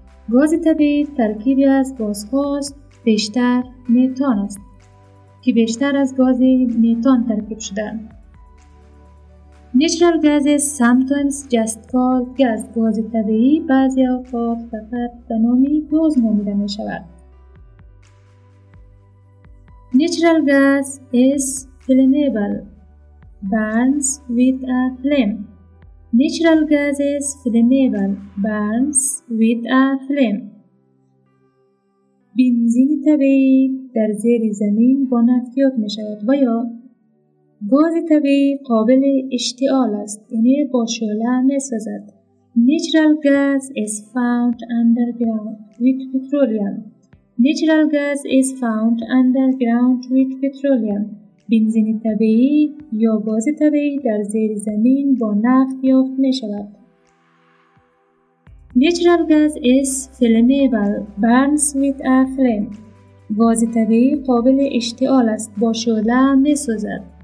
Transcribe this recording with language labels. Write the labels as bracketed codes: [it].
[fa] گاز طبیعی ترکیبی از گازهاست، بیشتر میتان است که بیشتر از گاز میتان ترکیب شده. [en] Natural gas is sometimes just called gas. [fa] گاز طبیعی بعضی اوقات فقط به نام گاز نامیده می شود. [en] Natural gas is flammable, burns with a flame. Natural gas is flammable, burns with a flame. [fa] بنزین طبیعی در زیر زمین با نفت یاد می شود و یا گاز طبیعی قابل اشتعال است، یعنی با شعله می سازد. [en] Natural gas is found underground with petroleum. Natural gas is found underground with petroleum. [fa] بنزین طبیعی یا گاز طبیعی در زیر زمین با نفت یافت می شود. [en] Natural gas is flammable, burns with a flame. [fa] گاز طبیعی قابل اشتعال است، با شعله می سازد.